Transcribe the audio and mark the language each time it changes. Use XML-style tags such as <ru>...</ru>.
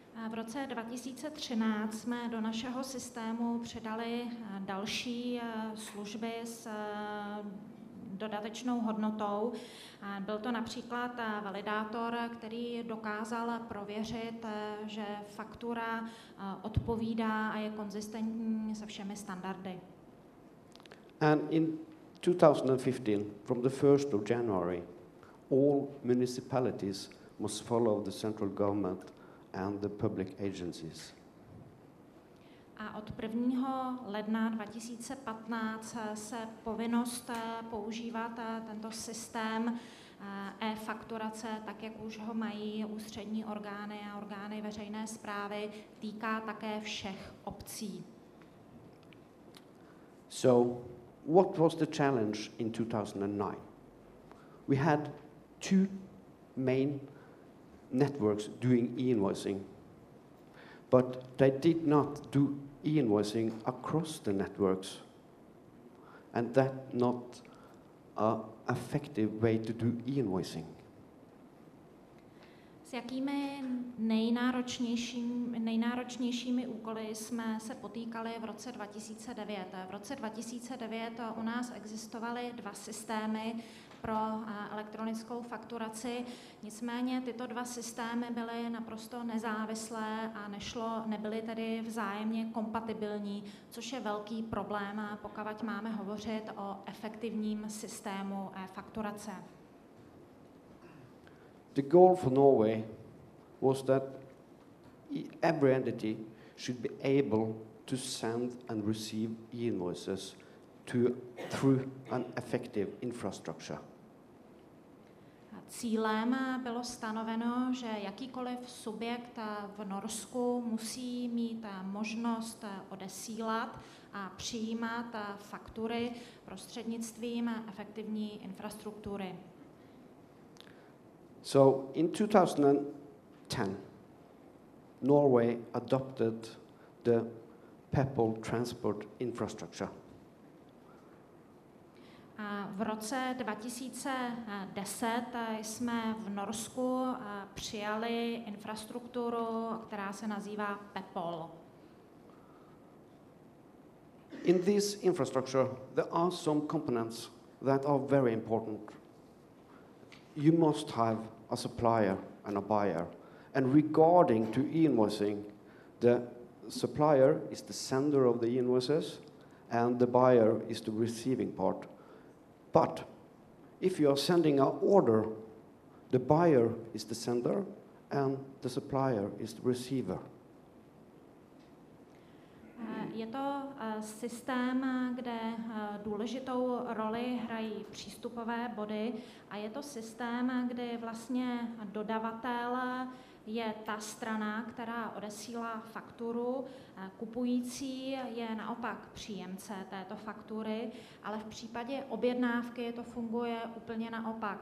<cs>V roce 2013 jsme do našeho systému přidali další služby s dodatečnou hodnotou. Byl to například validátor, který dokázal prověřit, že faktura odpovídá a je konzistentní se všemi standardy.</cs> <en>And in 2015, from the 1st of January, all municipalities must follow the central government and the public agencies.</en> <cs>A od 1. ledna 2015 se povinnost používat tento systém e-fakturace, tak jak už ho mají ústřední orgány a orgány veřejné správy, týká také všech obcí.</cs> <en>So, what was the challenge in 2009? We had two main networks doing e-invoicing, but they did not do e-invoicing across the networks, and that's not an effective way to do e-invoicing.</en> <cs>S jakými nejnáročnějšími úkoly jsme se potýkali v roce 2009? V roce 2009 u nás existovaly dva systémy pro elektronickou fakturaci, nicméně tyto dva systémy byly naprosto nezávislé a nebyly tedy vzájemně kompatibilní, což je velký problém, pokud máme hovořit o efektivním systému fakturace.</cs> <en>The goal for Norway was that every entity should be able to send and receive invoices through an effective infrastructure.</en> <cs>Cílem bylo stanoveno, že jakýkoliv subjekt v Norsku musí mít možnost odesílat a přijímat faktury prostřednictvím efektivní infrastruktury.</cs> <en>So in 2010, Norway adopted the PEPL transport infrastructure.</en> <cs>A v roce 2010 jsme v Norsku přijali infrastrukturu, která se nazývá PEPL.</cs> <en>In this infrastructure there are some components that are very important. You must have a supplier and a buyer. And regarding to invoicing, the supplier is the sender of the invoices and the buyer is the receiving part. But if you are sending an order, the buyer is the sender and the supplier is the receiver.</en> <cs>Je to systém, kde důležitou roli hrají přístupové body a je to systém, kde vlastně dodavatel je ta strana, která odesílá fakturu, kupující je naopak příjemce této faktury, ale v případě objednávky to funguje úplně naopak.</cs>